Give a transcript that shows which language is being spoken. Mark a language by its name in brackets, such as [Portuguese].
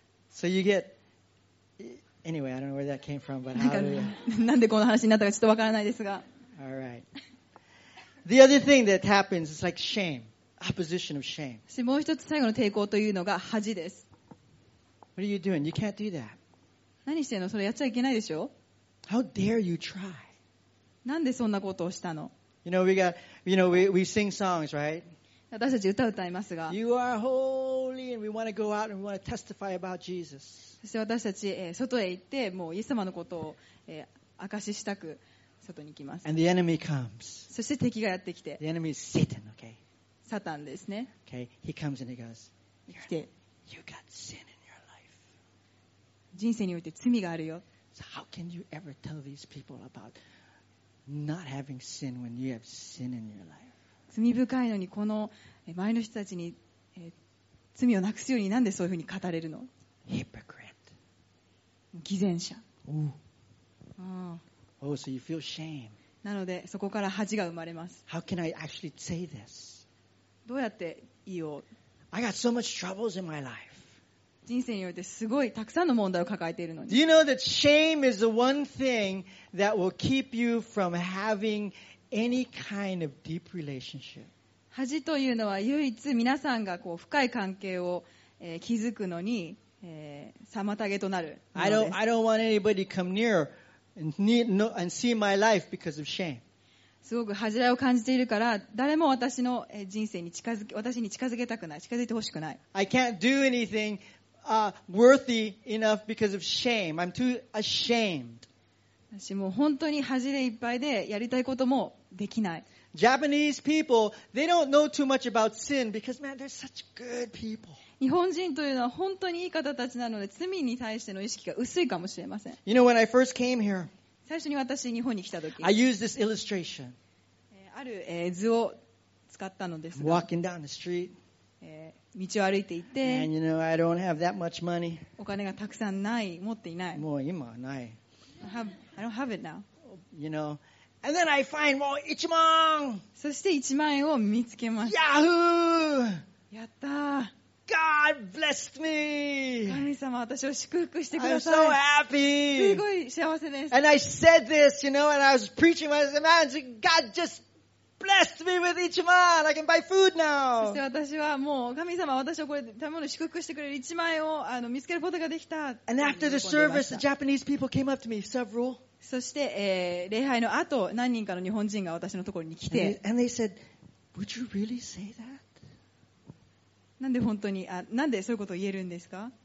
[English] So you get anyway. I don't know where that came from, but how? [Japanese] なんでこの話になったかちょっとわからないですが。 [English] All right. The other thing that happens is like shame, opposition of shame. [Japanese] しもう一つ最後の抵抗というのが恥です。 [English] What are you doing? You can't do that. [Japanese] 何してんの？それやっちゃいけないでしょ [English] ？How dare you try? [Japanese] なんでそんなことをしたの [English] ？You know we got, you know we sing songs, right? [Japanese] 私たち歌を歌いますが。 [English] You are holy and we want to go out and we want to testify about Jesus. [Japanese] そして私たち、外へ行ってもうイエス様のことを、証ししたく外に行きます。 [English] And the enemy comes. [Japanese] そして敵がやってきて。 [English] The enemy is Satan, okay? [Japanese] サタンですね。 [English] Okay, he comes and he goes. [Japanese] 来て。 [English] You got sin. [Japanese] 人生において罪があるよ。 [English] So how can you ever tell these people about not having sin when you have sin in your life? [Japanese] 罪深いのにこの前の人たちに罪をなくすようになんでそういうふうに語れるの [English] ？Hypocrite. [Japanese] 偽善者。 [English] So you feel shame. [Japanese] なのでそこから恥が生まれます。 [English] How can I actually say this? [Japanese] どうやって言おう [English] ？I got so much troubles in my life. [Japanese] 人生においてすごいたくさんの問題を抱えているのに。 [English] Do you know that shame is the one thing that will keep you from having any kind of deep relationship? [Japanese] 恥というのは唯一皆さんがこう深い関係を築くのに妨げとなるものです。 [English] I don't want anybody come near and see my life because of shame. [Japanese] すごく恥じらいを感じているから誰も私の人生に近づけたくない近づいてほしくない。 [English] I can't do anything. Worthy enough because of shame. I'm too ashamed. [Japanese] 私も本当に恥でいっぱいでやりたいこともできない。 [English] Japanese people, they don't know too much about sin because man, they're such good people. [Japanese] 日本人というのは本当にいい方たちなので罪に対しての意識が薄いかもしれません。 [English] You know, when I first came here, [Japanese] 最初に私日本に来た時、 [English] I used this illustration. [Japanese] ある図を使ったのですが、 [English] Walking down the street. [Japanese] 道を歩いていて、 [English] And you know, I don't have that much money. [Japanese] お金がたくさんない、持っていない。もう今はない。 [English] I don't have it now. You know, and then I find [Japanese] もう一万。そして一万円を見つけました。 [English] Yahoo! [Japanese] やった。 [English] God blessed me. [Japanese] 神様、私を祝福してください。 [English] I'm so happy. [Japanese] すごい幸せです。 [English] And I said this, you know, and I was preaching. I said, man, God just Blessed me with each man. I can buy food now. [Japanese] そして私はもう神様私をこれ食べ物を祝福してくれる一万円をあの見つけることができた。 [English] And after the service, the Japanese people came up to me, several. [Japanese] そして、礼拝の後何人かの日本人が私のところに来て。 [English] And they said, Would you really say that? [Japanese] なんで本当にあなんでそういうことを言えるんですか